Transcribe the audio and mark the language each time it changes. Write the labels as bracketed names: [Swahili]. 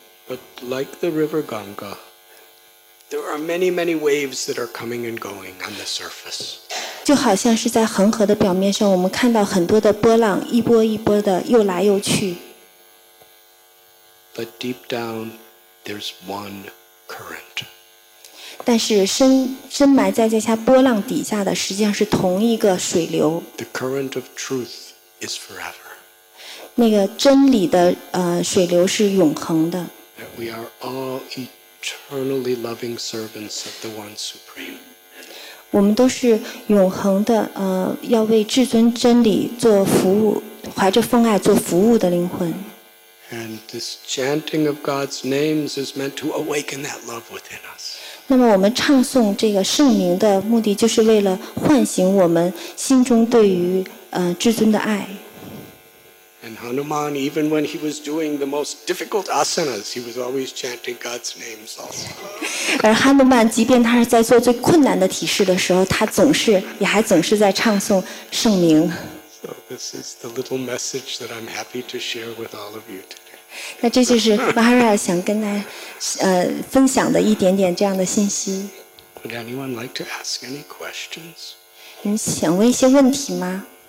[English] But like the river Ganga, there are many, many waves that are coming and going on the surface. [Chinese] 就好像是在恒河的表面上，我们看到很多的波浪，一波一波的，又来又去。 [English] But deep down, there's one current. [Chinese] 但是深埋在这些波浪底下的实际上是同一个水流。 [English] The current of truth is forever. [Chinese] 那个真理的水流是永恒的。 [English] That we are all eternally loving servants of the One Supreme. [Chinese] 我们都是永恒的要为至尊真理做服务怀着奉爱做服务的灵魂 [English] And this chanting of God's names is meant to awaken that love within us [Chinese] 那么我们唱诵这个圣名的目的就是为了唤醒我们心中对于至尊的爱 [English] And Hanuman even when he was doing the most difficult asanas he was always chanting God's names also [Chinese] 而哈努曼即便他是在做最困难的体式的时候他总是也还总是在唱诵圣名 [English] So this is the little message that I'm happy to share with all of you today [Chinese] 那这就是 Maharaj 想跟大家分享的一点点这样的信息 [English] Would anyone like to ask any questions? [Chinese] 你想问一些问题吗